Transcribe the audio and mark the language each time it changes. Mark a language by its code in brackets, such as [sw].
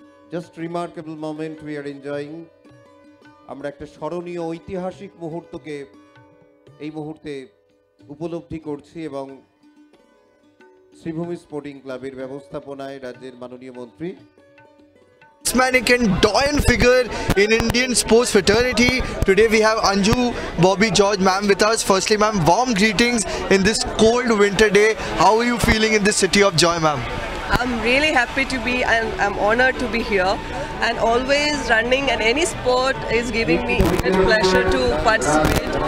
[en] Just remarkable moment we are enjoying. [bn] আমরা একটা স্মরণীয় ঐতিহাসিক মুহূর্তকে এই মুহূর্তে উপলব্ধি করছি এবং শ্রীভূমি স্পোর্টিং ক্লাবের ব্যবস্থাপনায় রাজ্যের মাননীয় মন্ত্রী [en] Man, he can join figure in Indian sports fraternity. Today we have Anju Bobby George ma'am with us. Firstly ma'am, warm greetings in this cold winter day. How are you feeling in this city of joy ma'am? I'm really happy to be and I'm honored to be here. And always running and any sport is giving me great pleasure to participate.